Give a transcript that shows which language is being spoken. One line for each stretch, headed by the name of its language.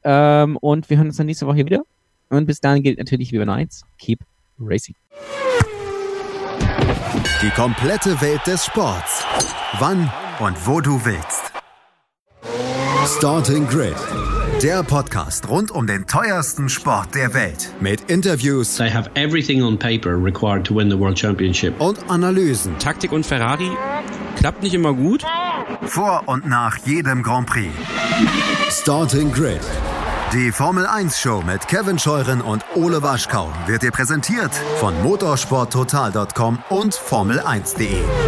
German: Und wir hören uns dann nächste Woche wieder. Und bis dahin gilt natürlich wie bei Nights,
English: keep racing.
German: Die komplette Welt des Sports. Wann und wo du willst. Starting Grid. Der Podcast rund um den teuersten Sport der Welt. Mit Interviews.
English: They have everything on paper required to win the World Championship.
German: Und Analysen. Taktik und Ferrari klappt nicht immer gut. Vor und nach jedem Grand Prix. Starting Grid. Die Formel 1 Show mit Kevin Scheuren und Ole Waschkau wird dir präsentiert von motorsporttotal.com und formel1.de.